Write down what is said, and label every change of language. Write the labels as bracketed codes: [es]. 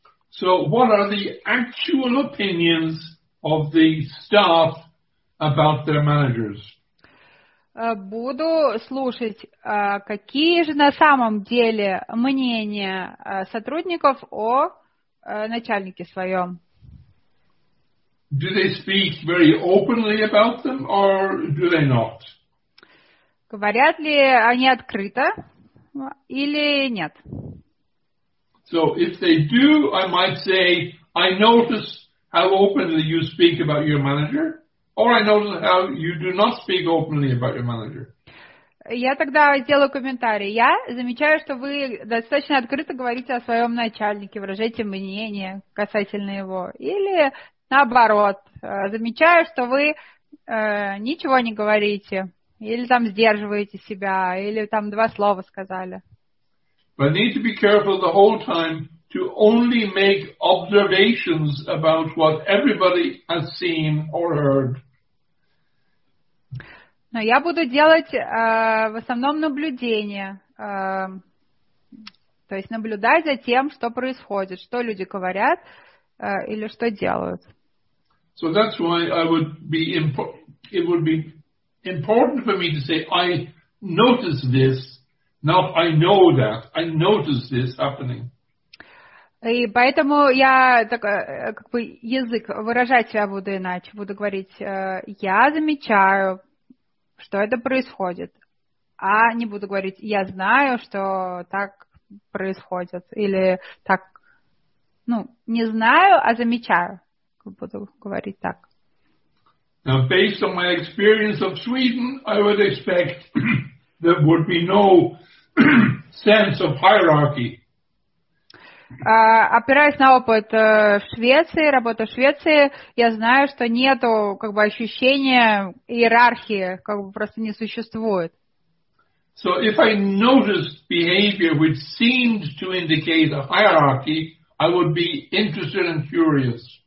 [en] So what are the actual opinions of the staff about their managers? [ru] Буду слушать, какие же на самом деле мнения сотрудников о начальнике своем. [en] Do they speak very openly about them, or do they not? [ru] Говорят ли они открыто или нет? [en] So if they do, I might say, I notice how openly you speak about your manager. Or I notice how you do not speak openly about your manager. [ru] Я тогда сделаю комментарий. Я замечаю, что вы достаточно открыто говорите о своем начальнике, выражаете мнение касательно его. Или наоборот, замечаю, что вы ничего не говорите, или там сдерживаете себя, или там два слова сказали. [en] But I need to be careful the whole time to only make observations about what everybody has seen or heard. [ru] Но я буду делать в основном наблюдения, то есть наблюдать за тем, что происходит, что люди говорят или что делают. [en] So that's why I would be it would be important for me to say I notice this, not I know that, I notice this happening. [ru] И поэтому я так, как бы язык выражать себя буду иначе. Буду говорить, я замечаю, что это происходит. А не буду говорить, я знаю, что так происходит. Или так, ну, не знаю, а замечаю. Буду говорить так. [en] Now, based on my experience of Sweden, I would expect there would be no sense of hierarchy. [ru] Опираясь на опыт в Швеции, работы в Швеции, я знаю, что нету как бы ощущения иерархии, как бы просто не существует. [en] So if I noticed behavior which seemed to indicate a hierarchy, I would be interested and curious.